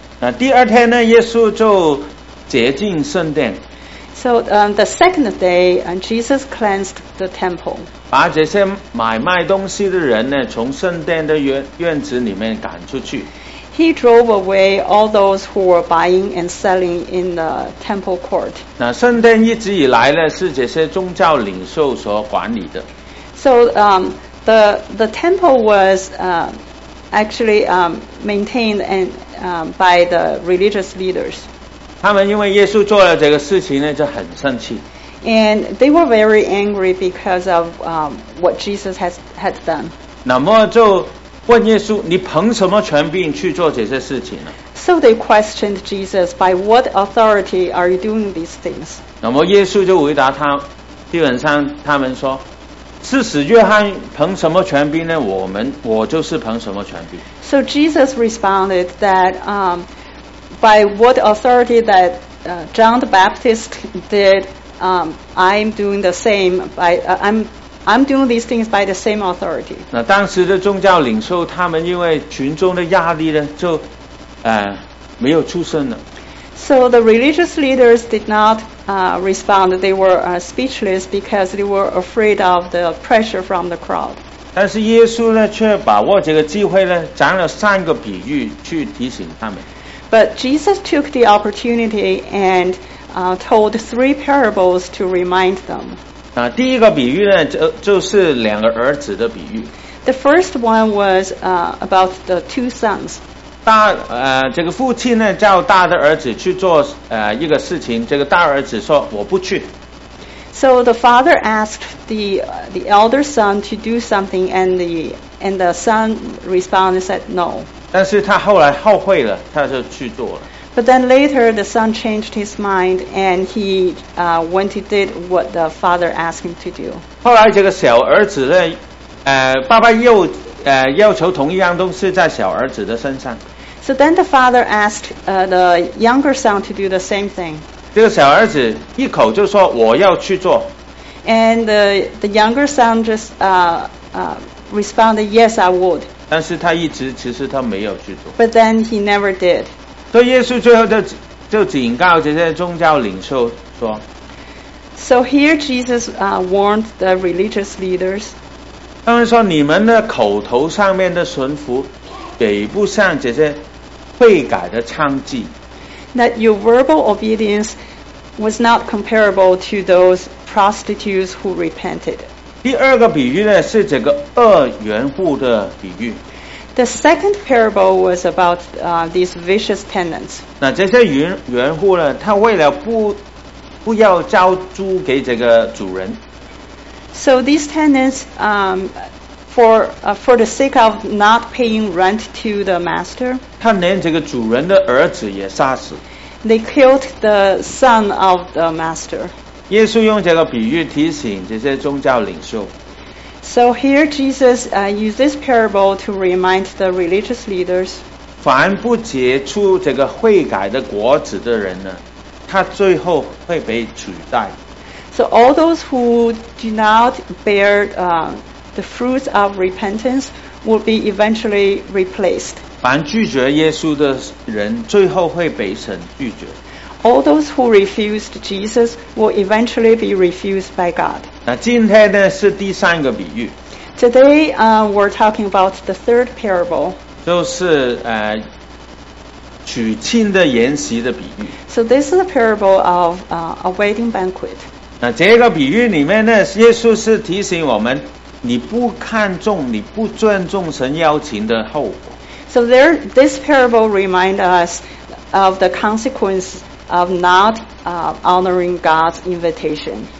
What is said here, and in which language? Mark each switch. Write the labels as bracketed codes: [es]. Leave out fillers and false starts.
[zh] 那第二天呢，耶稣就洁净圣殿。 [en] So the second day, Jesus cleansed the temple. [zh] 把这些买卖东西的人呢，从圣殿的院子里面赶出去。 [en] He drove away all those who were buying and selling in the temple court. [zh] 那圣殿一直以来呢，是这些宗教领袖所管理的。 [en] So the temple was actually maintained and by the religious leaders. [zh] 他们因为耶稣做了这个事情呢，就很生气。 [en] And they were very angry because of what Jesus had done. [zh] 那么就问耶稣，你凭什么权柄去做这些事情呢？ [en] So they questioned Jesus, by what authority are you doing these things? [zh] 那么耶稣就回答他，基本上他们说，是使约翰凭什么权柄呢？我就是凭什么权柄。 [en] So Jesus responded that, by what authority that John the Baptist did, I'm doing the same. I'm doing these things by the same authority. [zh] 那当时的宗教领袖他们因为群众的压力呢，就没有出声了。 [en] So the religious leaders did not respond. They were speechless because they were afraid of the pressure from the crowd. [zh] 但是耶稣呢，却把握这个机会呢，讲了三个比喻去提醒他们。 [en] But Jesus took the opportunity and told three parables to remind them. [zh] 第一个比喻呢，就是两个儿子的比喻。 [en] The first one was about the two sons. [zh] 这个父亲呢，叫大的儿子去做一个事情，这个大儿子说，我不去。 [en] So the father asked the elder son to do something and the son responded and said no. [zh] 但是他后来后悔了，他就去做了。 [en] But then later, the son changed his mind and he went and did what the father asked him to do. [zh] 后来这个小儿子呢，爸爸又要求同一样东西在小儿子的身上。 [en] So then the father asked the younger son to do the same thing. [zh] 这个小儿子一口就说我要去做。 [en] And the younger son just responded, yes, I would. [zh] 但是他一直其实他没有去做。 [en] But then he never did. [zh] 所以耶稣最后就警告这些宗教领袖说。 [en] So here Jesus warned the religious leaders. [zh] 他们说你们的口头上面的顺服，比不上这些悔改的娼妓。 [en] That your verbal obedience was not comparable to those prostitutes who repented. [zh] 第二个比喻呢，是这个恶缘户的比喻。 [en] The second parable was about these vicious tenants. [zh] 那这些缘户呢，他为了不要交租给这个主人。 [en] So these tenants, for the sake of not paying rent to the master, [zh] 他连这个主人的儿子也杀死。 [en] They killed the son of the master. [zh] 耶稣用这个比喻提醒这些宗教领袖。 [en] So here Jesus used this parable to remind the religious leaders. [zh] 凡不结出这个悔改的果子的人呢，他最后会被取代。 [en] So all those who do not bear the fruits of repentance will be eventually replaced. [zh] 凡拒绝耶稣的人，最后会被神拒绝。 [en] All those who refused Jesus will eventually be refused by God. [zh] 那今天呢是第三个比喻。 [en] Today, we're talking about the third parable. [zh] 就是娶亲的筵席的比喻。 [en] So this is a parable of a wedding banquet. [zh] 那这个比喻里面呢，耶稣是提醒我们，你不看重、你不尊重神邀请的后果。 [en] So this parable reminds us of the consequences. Of not honoring God's invitation.